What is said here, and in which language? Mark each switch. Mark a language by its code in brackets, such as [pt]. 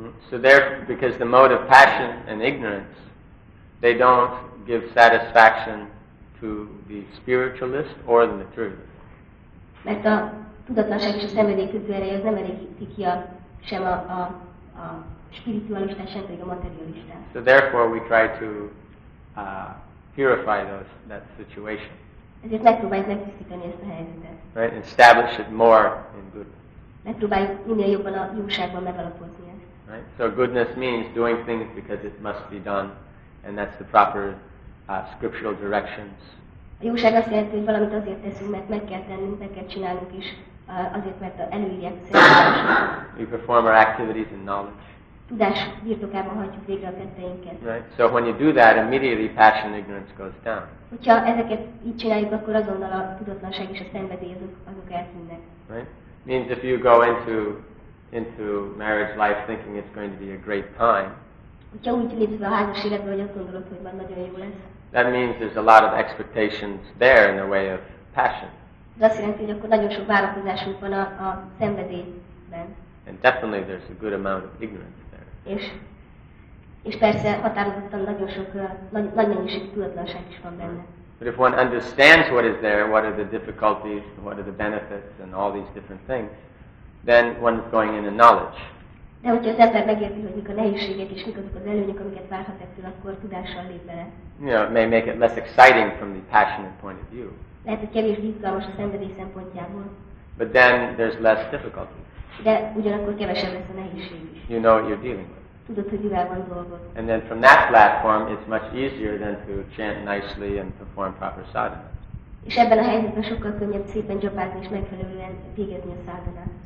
[en] So there, because the mode of passion and ignorance, they don't give satisfaction to the spiritualist or the materialist. [hu] Mert a tudatlanság és a szenvedély közül erej az nem elégíti ki sem a spiritualistát, sem pedig a materialistát. [en] So therefore we try to purify that situation. [hu] Ezért megpróbáljuk megtisztítani ezt a helyzetet. [en] Right, establish it more in goodness. [hu] Megpróbáljuk minél jobban a jóságban megalapozni ezt. [en] Right, so goodness means doing things because it must be done, and that's the proper scriptural directions. [hu] A jóság azt jelenti, hogy valamit azért teszünk, mert meg kell tennünk, meg kell csinálnunk is, azért, mert a előírják szerint. [en] We perform our activities in knowledge. [hu] Tudás birtokában hagyjuk végre a tetteinket. [en] Right. So when you do that, immediately passion and ignorance goes down. [hu] Hogyha ezeket így csináljuk, akkor azonnal a tudatlanság és a szenvedély azok eltűnnek. [en] Right. Means if you go into marriage life thinking it's going to be a great time. [hu] Hogyha úgy lépsz a házas életbe, hogy azt gondolod, hogy már nagyon jó lesz. [en] That means there's a lot of expectations there in the way of passion. [hu] De azt jelenti, hogy akkor nagyon sok várakozásunk van a szenvedélyben. [en] And definitely there's a good amount of ignorance there. [hu] És persze határozottan nagyon sok, nagy mennyiségű tudatlanság is van benne. [en] But if one understands what is there, what are the difficulties, what are the benefits, and all these different things, then one's going in knowledge. [hu] De hogyha az ember megérti, hogy mik a nehézségek és mik azok az előnyök, amiket várhat ettől, akkor tudással lép bele. [en] You know, it may make it less exciting from the passionate point of view. [hu] Lehet, hogy kevésbé izgalmas a szenvedély szempontjából. [en] But then there's less difficulty. [hu] De ugyanakkor kevesebb lesz a nehézség is. [en] You know what you're dealing with. [hu] Tudod, hogy mivel van dolgod. [en] And then from that platform, it's much easier than to chant nicely and perform proper sadhana. [hu] És ebben a helyzetben sokkal könnyebb szépen gyapázni és megfelelően végezni a sadhana.